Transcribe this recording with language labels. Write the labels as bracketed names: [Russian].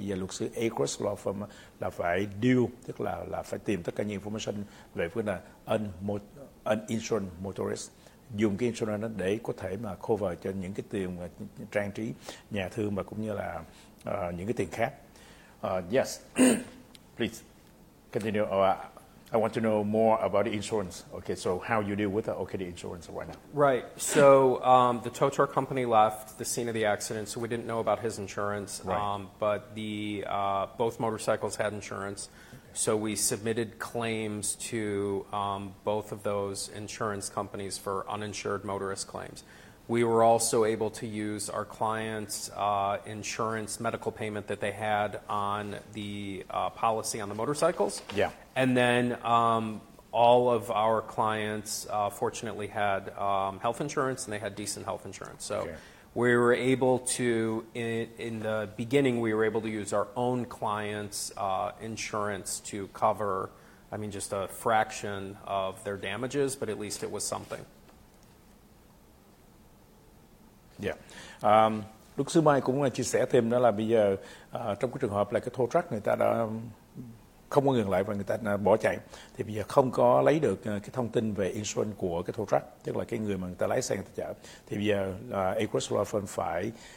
[Vietnamese] Bây giờ luật sư Agruss Law Firm là phải deal, tức là phải tìm tất cả những information về vấn đề uninsured motorist, dùng cái insurance để có thể mà cover cho những cái tiền trang trí nhà thương và cũng như là những cái tiền khác. [English] Yes, please continue. I want to know more about the insurance. Okay, so how you deal with the insurance right now? Right. So the tow truck company left the scene of the accident, so we didn't know about his insurance. Right. But the both motorcycles had insurance. So we submitted claims to both of those insurance companies for uninsured motorist claims. We were also able to use our client's insurance medical payment that they had on the policy on the motorcycles. Yeah. And then all of our clients fortunately had health insurance, and they had decent health insurance. So okay. We were able to, in the beginning, we were able to use our own client's insurance to cover, I mean, just a fraction of their damages, but at least it was something. Yeah. [Vietnamese] Luật sư Mai cũng chia sẻ thêm đó là bây giờ trong cái trường hợp là cái tow truck người ta đã không có ngừng lại và người ta đã bỏ chạy, thì bây giờ không có lấy được cái thông tin về insurance của cái tow truck, tức là cái người mà người ta lái xe người ta chở, thì bây giờ Agruss Law Firm phải